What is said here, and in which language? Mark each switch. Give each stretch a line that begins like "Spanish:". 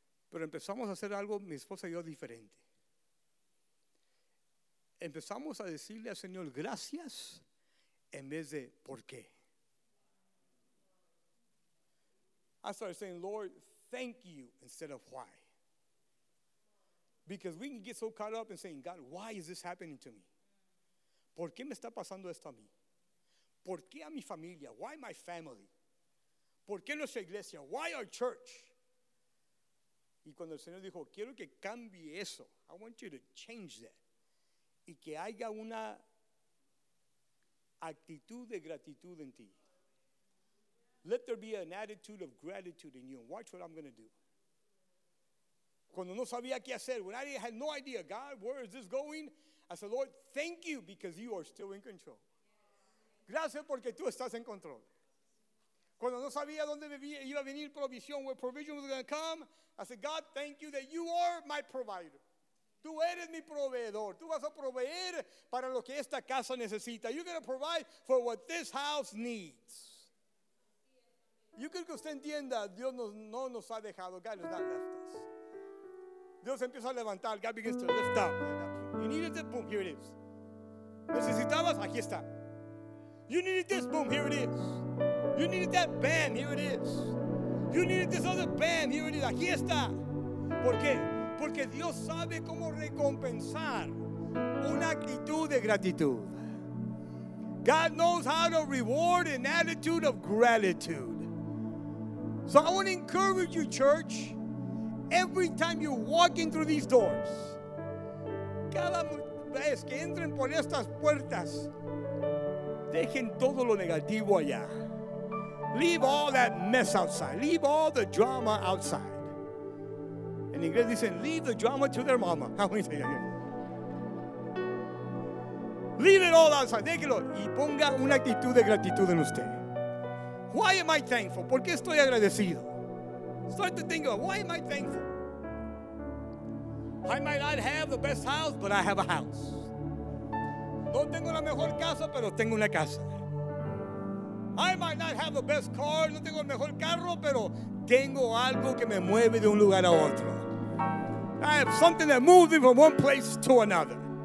Spanish: Pero empezamos a hacer algo, mi esposa y yo, diferente. Empezamos a decirle al Señor gracias en vez de por qué.
English: I started saying, Lord, thank you instead of why. Because we can get so caught up in saying, God, why is this happening to me?
Spanish: ¿Por qué me está pasando esto a mí? ¿Por qué a mi familia?
English: Why my family?
Spanish: ¿Por qué nuestra iglesia?
English: Why our church?
Spanish: Y cuando el Señor dijo, quiero que cambie eso.
English: I want you to change that.
Spanish: Y que haya una actitud de gratitud en ti.
English: Let there be an attitude of gratitude in you. And watch what I'm going to do.
Spanish: Cuando no sabía qué hacer,
English: when I had no idea, God, where is this going? I said, Lord, thank you because you are still in control.
Spanish: Gracias porque tú estás en control. Cuando no sabía dónde iba a venir provisión,
English: where provision was going to come, I said, God, thank you that you are my provider.
Spanish: Tú eres mi proveedor. Tú vas a proveer para lo que esta casa necesita.
English: You're going to provide for what this house needs.
Spanish: Yo quiero que usted entienda, Dios no nos ha dejado.
English: God has not left us.
Spanish: Dios empieza a levantar.
English: God begins to lift up. You needed it, boom, here it is.
Spanish: Necesitabas, aquí está.
English: You needed this, boom, here it is. You needed that, bam, here it is. You needed this other, bam, here it is.
Spanish: Aquí está. ¿Por qué? Porque Dios sabe cómo recompensar una actitud de gratitud.
English: God knows how to reward an attitude of gratitude. So I want to encourage you, church, every time you're walking through these doors,
Spanish: cada vez que entren por estas puertas, dejen todo lo negativo allá.
English: Leave all that mess outside. Leave all the drama outside.
Spanish: En inglés dicen,
English: leave the drama to their mama. How many say that? Leave it all outside.
Spanish: Déjelo. Y ponga una actitud de gratitud en usted.
English: Why am I thankful?
Spanish: ¿Por qué estoy agradecido?
English: Start to think about, why am I thankful? I might not have the best house, but I have a house.
Spanish: No tengo la mejor casa, pero tengo una casa.
English: I might not have the best car,
Spanish: no tengo el mejor carro, pero tengo algo que me mueve de un lugar a otro.
English: I have something that moves me from one place to another.